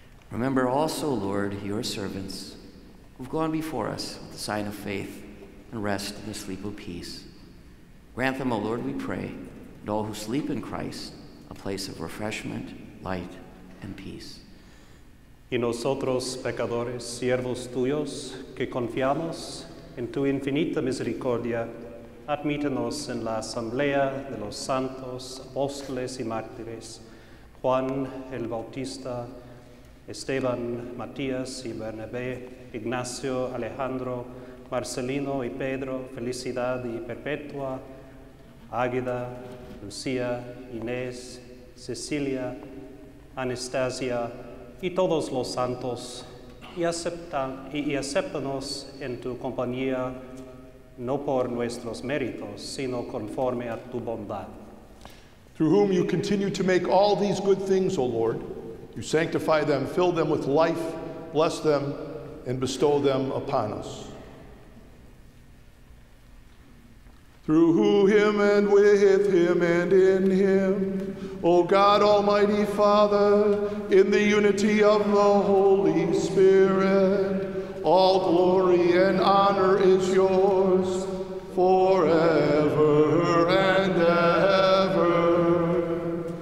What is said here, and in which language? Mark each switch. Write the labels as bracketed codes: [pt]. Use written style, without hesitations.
[en] Remember also, Lord, your servants who've gone before us with the sign of faith and rest in the sleep of peace. Grant them, O Lord, we pray, and all who sleep in Christ, a place of refreshment, light, and peace. [es] Y nosotros, pecadores, siervos tuyos, que confiamos en tu infinita misericordia, admítenos en la asamblea de los santos, apóstoles y mártires, Juan el Bautista, Esteban, Matías y Bernabé, Ignacio, Alejandro, Marcelino y Pedro, Felicidad y Perpetua, Águeda, Lucía, Inés, Cecilia, Anastasia, y todos los santos, y acéptanos en tu compañía, no por nuestros méritos, sino conforme a tu bondad. [en] Through whom you continue to make all these good things, O Lord, you sanctify them, fill them with life, bless them, and bestow them upon us. Through who, him, and with him, and in him, O God, Almighty Father, in the unity of the Holy Spirit, all glory and honor is yours forever and ever.